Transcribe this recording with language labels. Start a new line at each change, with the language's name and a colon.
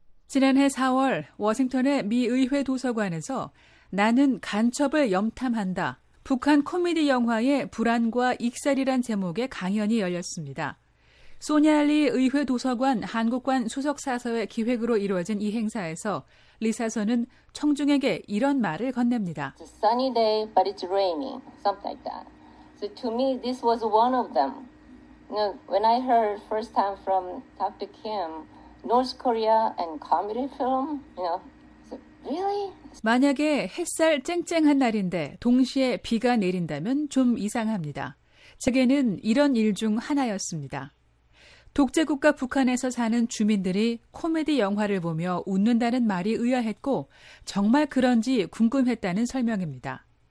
Korean: 지난해 4월 워싱턴의 미 의회 도서관에서 나는 간첩을 염탐한다. 북한 코미디 영화의 불안과 익살이란 제목의 강연이 열렸습니다. 소냐리 의회 도서관 한국관 수석사서의 기획으로 이루어진 이 행사에서 리 사서는 청중에게 이런 말을 건넵니다.
English: It's a sunny day, but it's raining, something like that. So to me, this was one of them. You know, when I heard first time from Dr. Kim, North Korea and comedy film, you know, so really?
Korean: 만약에 햇살 쨍쨍한 날인데 동시에 비가 내린다면 좀 이상합니다. 책에는 이런 일 중 하나였습니다. 독재국가 북한에서 사는 주민들이 코미디 영화를 보며 웃는다는 말이 의아했고 정말 그런지 궁금했다는 설명입니다.